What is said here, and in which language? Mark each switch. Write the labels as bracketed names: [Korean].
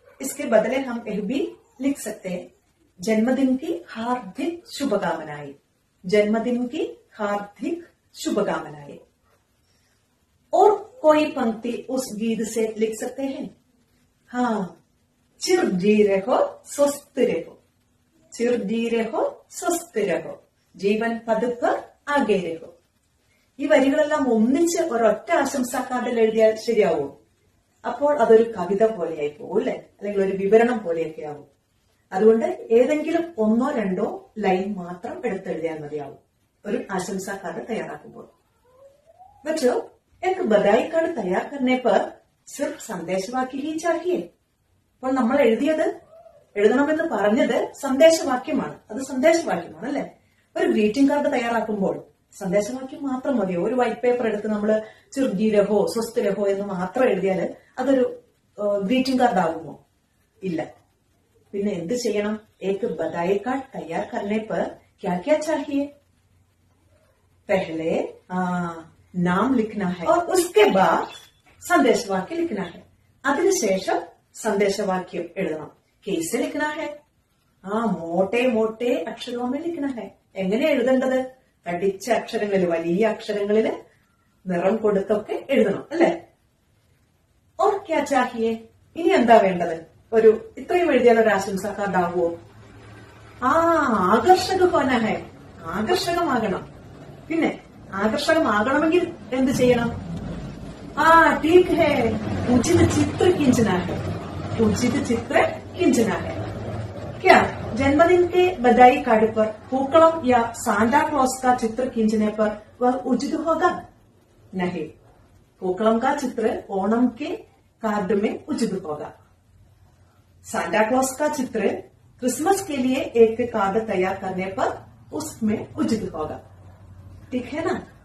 [Hindi] इसके बदले हम यह भी लिख सकते हैं, जन्मदिन की हार्दिक शुभकामनाएं, जन्मदिन की हार्दिक शुभकामनाएं। और कोई पंक्ति उस गीत से लिख सकते हैं? हाँ, चिर जी रहो स्वस्थ रहो, चिर जी रहो स्वस्थ रहो, जीवन पद पर आगे रहो। [Malayalam] ई വരികളെല്ലാം ഒന്നിച്ച് ഒരൊറ്റ ആശംസാ കാർഡിൽ എഴുതിയാൽ ശരിയാവോ? അപ്പോൾ അതൊരു കവിത പോലെയായി പോകും അല്ലെ, അല്ലെങ്കിൽ ഒരു വിവരണം പോലെയൊക്കെ ആവും. അതുകൊണ്ട് ഏതെങ്കിലും ഒന്നോ രണ്ടോ ലൈൻ മാത്രം എടുത്തെഴുതിയാൽ മതിയാവും ഒരു ആശംസാ കാർഡ് തയ്യാറാക്കുമ്പോൾ. മറ്റോ [Hindi] एक बधाई कार्ड तैयार करने पर सिर्फ संदेश वाक्य ही चाहिए। पर [Malayalam] നമ്മൾ എഴുതിയത് എഴുതണമെന്ന് പറഞ്ഞത് സന്ദേശവാക്യമാണ്, അത് സന്ദേശവാക്യമാണ് അല്ലേ. ഒരു ഗ്രീറ്റിംഗ് കാർഡ് തയ്യാറാക്കുമ്പോൾ സന്ദേശവാക്യം മാത്രം മതിയോ? ഒരു വൈറ്റ് പേപ്പർ എടുത്ത് നമ്മൾ ചിർജീരഹോ സ്വസ്ഥ രഹോ എന്ന് മാത്രം എഴുതിയാൽ അതൊരു ഗ്രീറ്റിംഗ് കാർഡ് ആകുമോ? ഇല്ല. പിന്നെ എന്ത് ചെയ്യണം? [Hindi] एक बधाई कार्ड तैयार करने पर क्या क्या चाहिए? पहले नाम लिखना है और उसके बाद संदेश वाक्य लिखना है। [Malayalam] അതിനുശേഷം സന്ദേശവാക്യം എഴുതണം. [Hindi] കേസ് ലിഖണം ഹേ? [Malayalam] ആ, [Hindi] മോട്ടേ മോട്ടേ [Malayalam] അക്ഷരമൊക്കെ [Hindi] ലിഖണം ഹേ. [Malayalam] എങ്ങനെ എഴുതേണ്ടത്? തടിച്ച അക്ഷരങ്ങളിൽ, വലിയ അക്ഷരങ്ങളിൽ നിറം കൊടുത്തൊക്കെ എഴുതണം അല്ലേ. [Hindi] ഓർ ക്യാ ചാഹിയേ? [Malayalam] ഇനി എന്താ വേണ്ടത്? ഒരു ഇത്രയും എഴുതിയാൽ ഒരു ആശംസാ കാർഡാവോ? [Hindi] ആകർഷക ഹോന ഹെ, [Malayalam] ആകർഷകമാകണം. പിന്നെ ആകർഷകമാകണമെങ്കിൽ എന്ത് ചെയ്യണം? [Hindi] ആ ടീക്ക് ഹെ, ഉചിത ചിത്ര കിഞ്ചനാ ഹെ, [Malayalam] ഉചിത ചിത്ര കിഞ്ചനാ ഹെ. [Hindi] क्या जन्मदिन के बधाई कार्ड पर पुकड़ों या सांता क्लॉस का चित्र खींचने पर वह उचित होगा? नहीं, पुकड़ों का चित्र ओणम के कार्ड में उचित होगा. सांता क्लॉस का चित्र क्रिसमस के लिए एक कार्ड तैयार करने पर उसमें उचित होगा, ठीक है ना?